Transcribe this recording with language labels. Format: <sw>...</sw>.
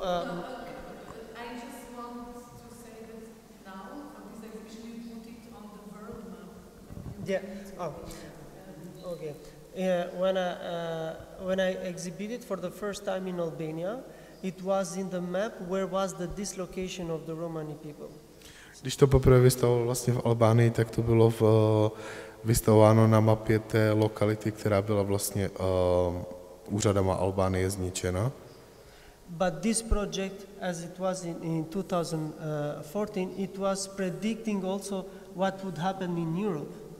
<en>I just want to say that now, because I usually put it on the world map. Yeah. Oh. Okay. Yeah. When I exhibited for the first time in Albania, it was in the map where was the dislocation of the Romani people.</en> <cs>Když to poprvé vystavoval vlastně v Albánii, tak to bylo vystavováno na mapě té lokality, která byla vlastně úřadama Albánie zničena.</cs> <en>But this project, as it was in 2014, it was predicting also what would happen in Europe.</en>